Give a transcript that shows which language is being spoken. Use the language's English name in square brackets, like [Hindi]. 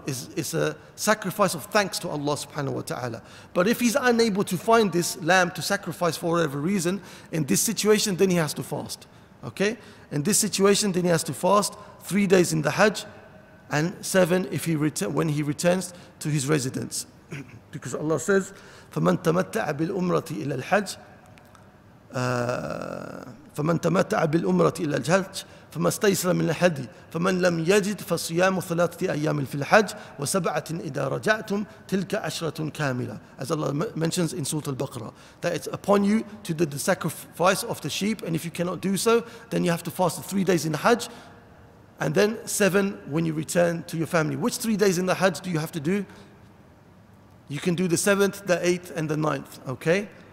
[English] It's a sacrifice of thanks to Allah subhanahu wa ta'ala. But if he's unable to find this lamb to sacrifice for whatever reason, in this situation, then he has to fast. Okay, in this situation, then he has to fast 3 days in the Hajj and seven if he when he returns to his residence. Because Allah says, [Arabic] فَمَنْ تَمَتَّعَ بِالْأُمْرَةِ إِلَى الْحَجِّ فَمَنْ تَمَتَّعَ بِالْأُمْرَةِ إِلَى الْحَجِّ فَمَا اسْتَيْسَرَ مِنْ الْحَدِّ فَمَنْ لَمْ يَجِدْ فَصِيَامُ ثَلَاثَةِ أَيَّامٍ فِي الْحَجِّ وَسَبْعَةٍ إِذَا رَجَعْتُمْ تِلْكَ عَشْرَةٌ كَامِلَةٌ. [English] As Allah mentions in Surah Al-Baqarah, that it's upon you to do the sacrifice of the sheep, and if you cannot do so, then you have to fast 3 days in the Hajj, and then seven when you return to your family. Which 3 days in the Hajj do you have to do? You can do the seventh, the eighth, and the ninth, okay?